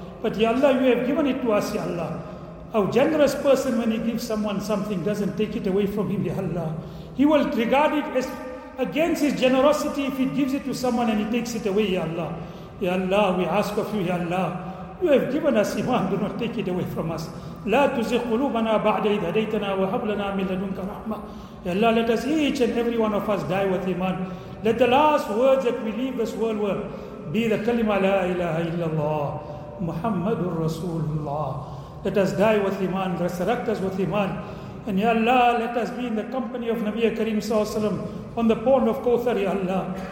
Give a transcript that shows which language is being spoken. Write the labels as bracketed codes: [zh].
[en] But Ya Allah, you have given it to us, Ya Allah. A generous person, when he gives someone something, doesn't take it away from him, Ya Allah. He will regard it as against his generosity if he gives it to someone and he takes it away, Ya Allah. Ya Allah, we ask of you, Ya Allah. You have given us Iman, do not take it away from us. [ar] لا تزغ قلوبنا بعد إذ هديتنا وهب لنا من لدنك رحمة. [en] Ya Allah, let us each and every one of us die with Iman. Let the last words that we leave this world with be the kalima la ilaha illallah Muhammadur Rasulullah. Let us die with Iman, resurrect us with Iman. And Ya Allah, let us be in the company of Nabiya Kareem sallallahu alayhi wa sallam on the pond of Kawthar, Ya Allah.